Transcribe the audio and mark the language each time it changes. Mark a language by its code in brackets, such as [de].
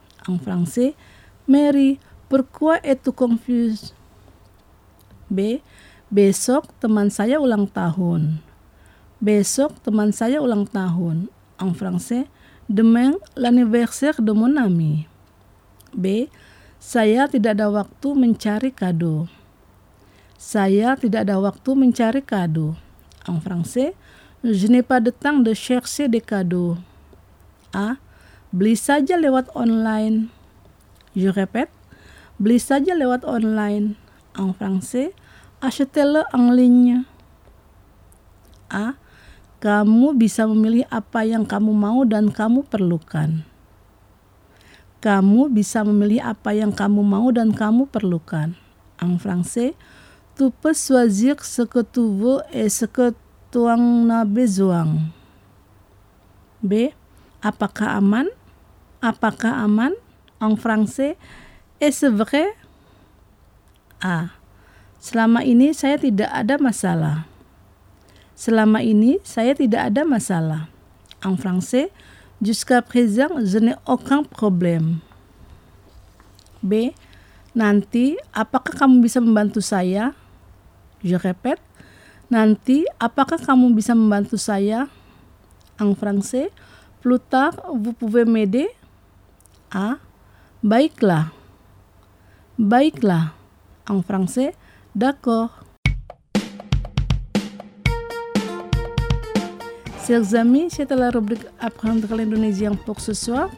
[fr] En français, Mary, pourquoi es-tu confuse? B. [id] Besok teman saya ulang tahun. Besok teman saya ulang tahun. [fr] En français, demain l'anniversaire de mon ami. B. [id] Saya tidak ada waktu mencari kado. Saya tidak ada waktu mencari kado. [fr] En français, je n'ai pas de temps de chercher des cadeaux. [id] A. Beli saja lewat online. [fr] Je répète. [id] Beli saja lewat online. [fr] En français, achetez-le en ligne. A. [id] Kamu bisa memilih apa yang kamu mau dan kamu perlukan. Kamu bisa memilih apa yang kamu mau dan kamu perlukan. [fr] En français, tu peux choisir ce que tu veux et ce que tu en as besoin. [id] B. Apakah aman? Apakah aman? [fr] En français, est-ce vrai? A. [id] Selama ini saya tidak ada masalah. Selama ini saya tidak ada masalah. [fr] En français, jusqu'à présent, je n'ai aucun problème. B. [id] Nanti, apakah kamu bisa membantu saya? [fr] Je répète. [id] Nanti, apakah kamu bisa membantu saya? [fr] En français, plus tard, vous pouvez m'aider? [id] A. Baiklah. Baiklah. [fr] En français, d'accord. Chers amis, c'était la rubrique Apprendre l'indonésien pour ce soir.